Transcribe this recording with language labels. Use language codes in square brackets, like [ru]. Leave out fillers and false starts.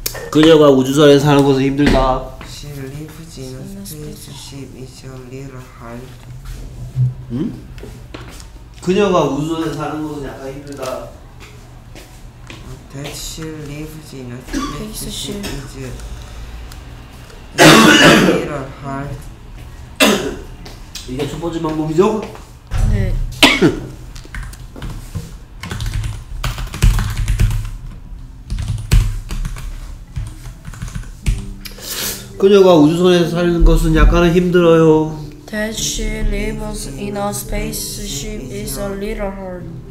[ko] 그녀가 우주선에 사는 것은 힘들다. [en] She lives in a spaceship is a little hard. [ko] 응? 그녀가 우주선에 사는 것은 약간 힘들다. [en] That she lives in a spaceship is a little hard. [ko] 이게 첫 번째 방법이죠? 네. 그녀가 우주선에서 사는 것은 약간은 힘들어요. [en] That she lives in a spaceship is a little hard.